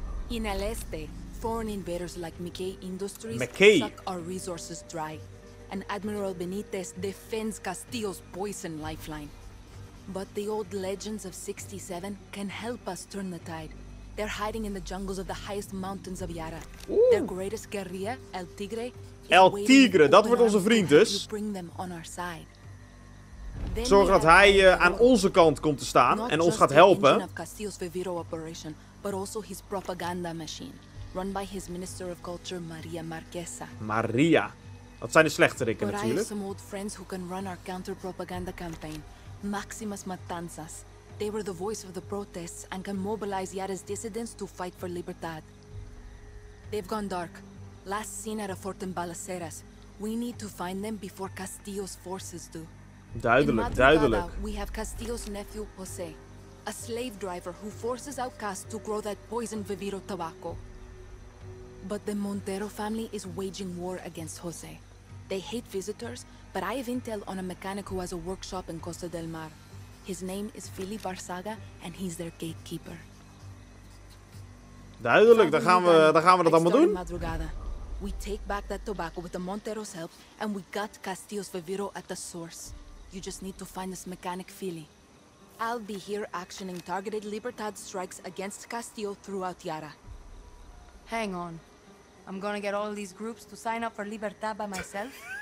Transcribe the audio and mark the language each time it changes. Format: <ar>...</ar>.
<en>In El Este, foreign invaders like McKay Industries suck our resources dry, and Admiral Benitez defends Castillo's poison lifeline. But the old legends of 67 can help us turn the tide. They're hiding in the jungles of the highest mountains of Yara. Ooh. Their greatest guerrilla, El Tigre,</en> <nl>El Tigre, dat wordt onze vriend dus.</nl> <en>Bring them on our side.</en> <nl>Zorg dat hij aan onze kant komt te staan en ons gaat helpen.</nl> <en>Castillo's Viviro operation, but also his propaganda machine, run by his minister of culture, Maria Marquesa.</en> <nl>Maria, dat zijn de slechteriken natuurlijk.</nl> <en>But I have some old friends who can run our counter-propaganda campaign. Maximus Matanzas. They were the voice of the protests and can mobilize Yara's dissidents to fight for Libertad. They've gone dark. Last seen at a fort in Balaceras. We need to find them before Castillo's forces do.</en> <nl>Duidelijk, duidelijk.</nl> <en>We have Castillo's nephew, Jose. A slave driver who forces outcasts to grow that poisoned Viviro tobacco. But the Montero family is waging war against Jose. They hate visitors, but I have intel on a mechanic who has a workshop in Costa del Mar. His name is Philip Arzaga, and he's their gatekeeper.</en> <nl>Duidelijk, dan gaan we dat allemaal doen.</nl> <en>Madrugada. We take back that tobacco with the Montero's help, and we got Castillo's Viviro at the source. You just need to find this mechanic, Philly. I'll be here actioning targeted Libertad strikes against Castillo throughout Yara. Hang on. I'm gonna get all these groups to sign up for Libertad by myself?</en>